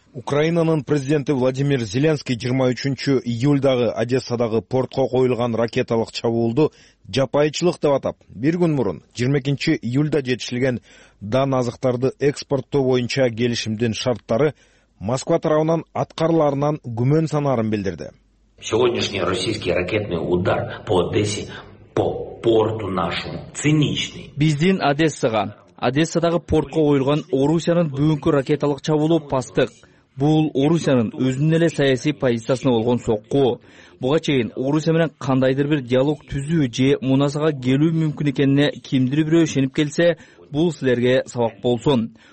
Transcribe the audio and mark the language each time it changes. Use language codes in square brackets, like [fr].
[ky] Украинанын президенти Владимир Зеленский 23 июлдагы Одессадагы портко коюлган ракеталык чабуулду жапайычылык деп атап, бир күн мурун 22 июлда жетишилген дан азыктарды экспорттоо боюнча келишимдин шарттары Москва тарабынан аткарыларынан күмөн санаарын билдирди. [ru] Сегодняшний российский ракетный удар по Одессе, по порту нашему, циничный. [ky] Биздин Одессага, Одессадагы портко коюлган Орусиянын бүгүнкү ракеталык чабуулу пастык. Бул Орусиянын өзүнүн эле саясий позициясына болгон сокку. Буга чейин Орусия менен кандайдыр бир диалог түзүү же мунасага келүү мүмкүн экенине кимдир бирөө ишенип келсе, бул силерге сабак болсун.